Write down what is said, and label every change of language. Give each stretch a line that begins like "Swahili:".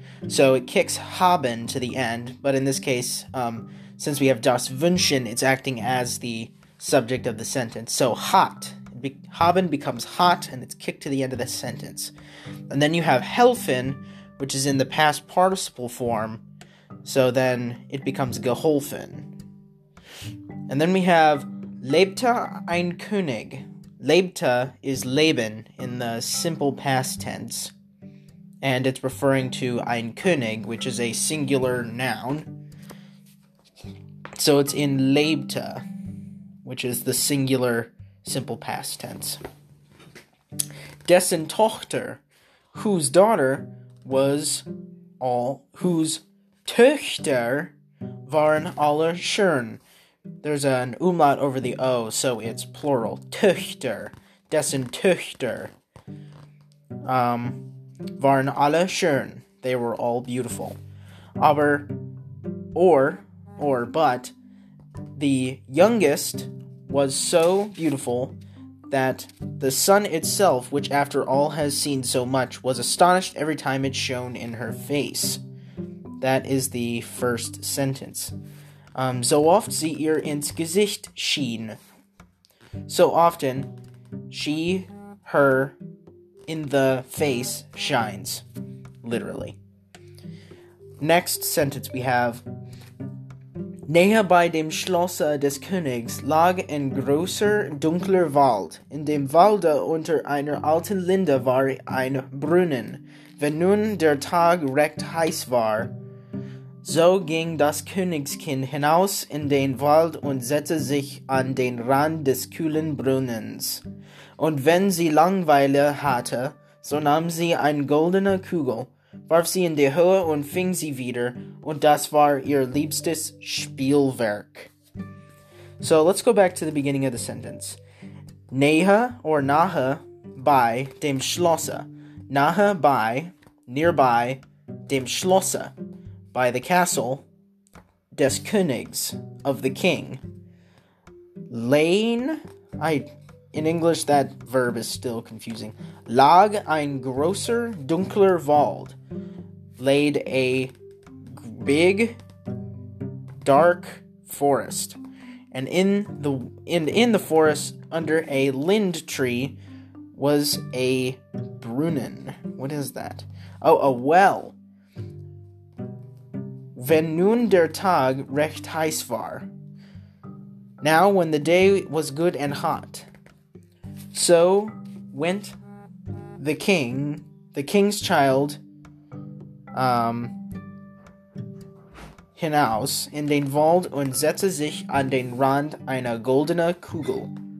English: So it kicks haben to the end, but in this case, since we have das Wünschen, it's acting as the subject of the sentence. So hot, haben becomes hot, and it's kicked to the end of the sentence. And then you have helfen, which is in the past participle form, so then it becomes geholfen. And then we have
German: lebte ein König.
English: Lebte is leben in the simple past tense. And it's referring to ein König, which is a singular noun. So it's in lebte, which is the singular simple past tense.
German: Dessen Tochter,
English: whose daughter was all, whose
German: Töchter waren alle schön.
English: There's an umlaut over the O, so it's plural.
German: Töchter, dessen Töchter. Waren alle schön.
English: They were all beautiful. Aber, but, the youngest was so beautiful that the sun itself, which after all has seen so much, was astonished every time it shone in her face. That is the first sentence.
German: So oft sie ihr ins Gesicht schien.
English: So often, she, her, in the face shines, literally. Next sentence we have,
German: Nähe bei dem Schlosse des Königs lag ein großer, dunkler Wald. In dem Walde unter einer alten Linde war ein Brunnen. Wenn nun der Tag recht heiß war, So ging das Königskind hinaus in den Wald und setzte sich an den Rand des kühlen Brunnens. Und wenn sie Langeweile hatte, so nahm sie eine goldene Kugel, warf sie in die Höhe und fing sie wieder, und das war ihr liebstes Spielwerk.
English: So let's go back to the beginning of the sentence.
German: Nähe or nahe bei dem Schlosser. Nahe bei, nearby, dem Schlosser.
English: By the castle,
German: des Königs,
English: of the king. Lane, in English that verb is still confusing.
German: Lag ein großer, dunkler Wald.
English: Laid a big, dark forest. And in the forest, under a lind tree, was a Brunnen. What is that? Oh, a well.
German: Wenn nun der Tag recht heiß war.
English: Now, when the day was good and hot. So went the king's child,
German: hinaus in den Wald und setzte sich an den Rand einer goldenen Kugel.